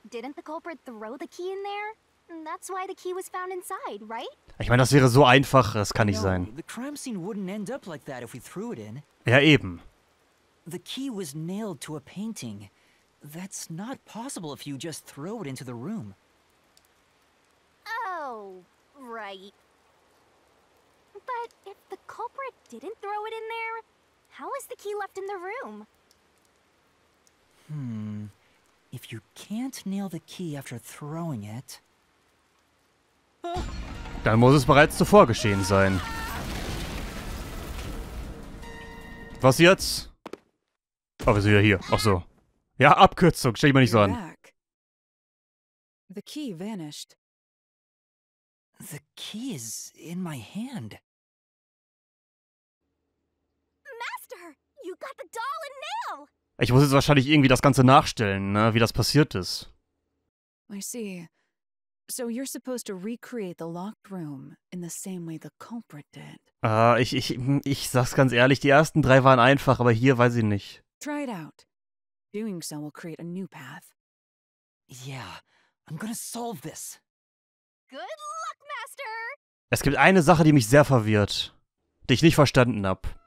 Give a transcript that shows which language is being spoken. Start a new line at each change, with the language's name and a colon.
English: Didn't the culprit throw the key in there? That's why the key was found inside, right?
German: Ich meine, das wäre so einfach, das kann nicht sein.
English: The crime scene wouldn't end up like that if we threw it in.
German: Ja, eben.
English: The key was nailed to a painting. That's not possible if you just throw it into the room. Oh, right. But if the culprit didn't throw it in there, how is the key left in the room? Hmm. If you can't nail the key after throwing it,
German: dann muss es bereits zuvor geschehen sein. Was jetzt? Oh, wir sind ja hier. Ach so. Ja, Abkürzung. Stell ich mir nicht so an.
English: The key vanished. The key is in my hand. Master, you got the doll and nail.
German: Ich muss jetzt wahrscheinlich irgendwie das Ganze nachstellen, ne, wie das passiert ist.
English: I see. So you're supposed to recreate the locked room in the same way the culprit did.
German: Ich sag's ganz ehrlich, die ersten drei waren einfach, aber hier weiß ich nicht.
English: Try it out. Doing so will create a new path. Yeah, I'm gonna solve this. Good luck, Master!
German: Es gibt eine Sache, die mich sehr verwirrt, die ich nicht verstanden hab.